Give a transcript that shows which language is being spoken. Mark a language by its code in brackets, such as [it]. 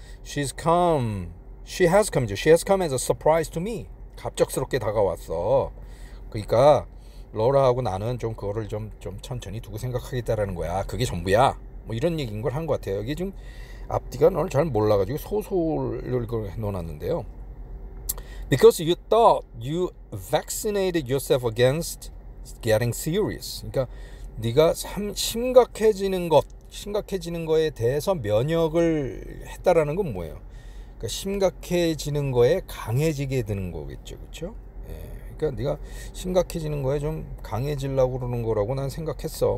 [en] She's come. She has come. She has come as a surprise to me. [ko] 갑작스럽게 다가왔어. 그러니까 로라하고 나는 좀 그거를 좀 천천히 두고 생각하겠다라는 거야. 그게 전부야. 뭐 이런 얘기인 걸 한 것 같아요. 이게 좀 앞뒤가 너를 잘 몰라가지고 소설을 그걸 해놓았는데요. [en] Because you thought you vaccinated yourself against getting serious. [ko] 그러니까 네가 심각해지는 거에 대해서 면역을 했다라는 건 뭐예요? 그러니까 심각해지는 거에 강해지게 되는 거겠죠, 그렇죠? 예. 그러니까 네가 심각해지는 거에 좀 강해지려고 그러는 거라고 난 생각했어.